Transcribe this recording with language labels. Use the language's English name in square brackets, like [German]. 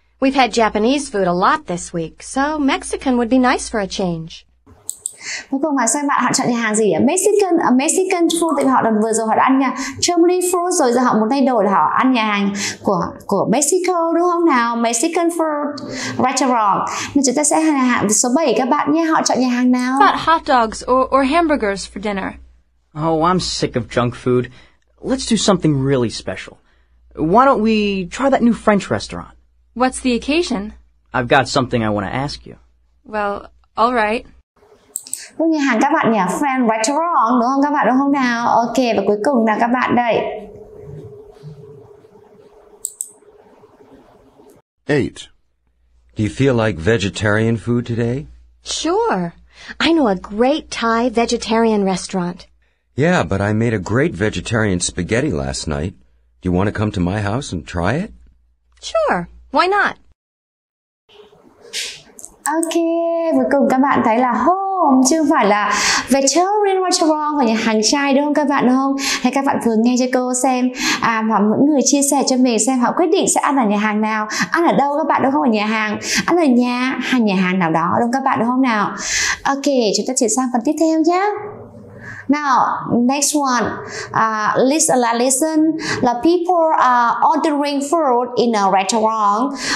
[English] We've had Japanese food a lot this week, so Mexican would be nice for a change. [Vietnamese] Cuối cùng là xem bạn họ chọn nhà hàng gì ạ? Mexican food thì họ đã vừa rồi họ đã ăn nhà Germany food rồi giờ họ muốn thay đổi là họ ăn nhà hàng của Mexico đúng không nào? [English] Mexican food restaurant. [Vietnamese] Nên chúng ta sẽ hàng số 7 các bạn nhé. Họ chọn nhà hàng nào? [English] About hot dogs or hamburgers for dinner. Oh, I'm sick of junk food. Let's do something really special. Why don't we try that new French restaurant? What's the occasion? I've got something I want to ask you. Well, all right. [Vietnamese] Cô nhà hàng các bạn nhỉ? French restaurant, đúng không các bạn, đúng không nào? Ok, và cuối cùng là các bạn đây. 8. [English] Do you feel like vegetarian food today? Sure. I know a great Thai vegetarian restaurant. Yeah, but I made a great vegetarian spaghetti last night. Do you want to come to my house and try it? Sure. Why not? [Vietnamese] Okay, cuối cùng các bạn thấy là home chứ không phải là vegetarian restaurant của nhà hàng chay đúng không các bạn, đúng không? Hay các bạn vừa nghe cho cô xem và mọi người chia sẻ cho mình xem họ quyết định sẽ ăn ở nhà hàng nào, ăn ở đâu các bạn, đúng không, ở nhà hàng, ăn ở nhà hay nhà hàng nào đó đúng không các bạn, đúng không nào? Okay, chúng ta chuyển sang phần tiếp theo nhé. [English] Now, next one, listen, the people are ordering food in a restaurant.